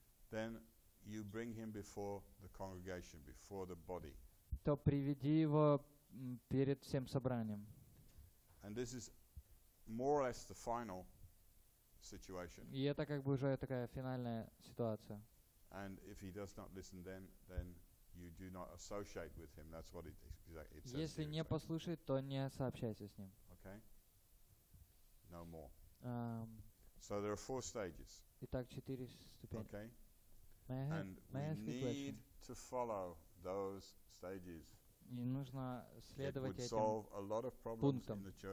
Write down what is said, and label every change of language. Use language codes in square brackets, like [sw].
[en] then you bring him before the congregation, before the body. [ru] То приведи его перед всем собранием. [en] And this is more or less the final situation. [ru] И это как бы уже такая финальная ситуация. [en] And if he does not listen, then you do not associate with him. That's what it says. [ru] Если не послушает, то не сообщайся с ним. [en] Okay. No more. So there are four stages. [ru] Итак, четыре ступени. [en] Okay. And we need to follow those stages. [ru] И нужно следовать этим пунктам.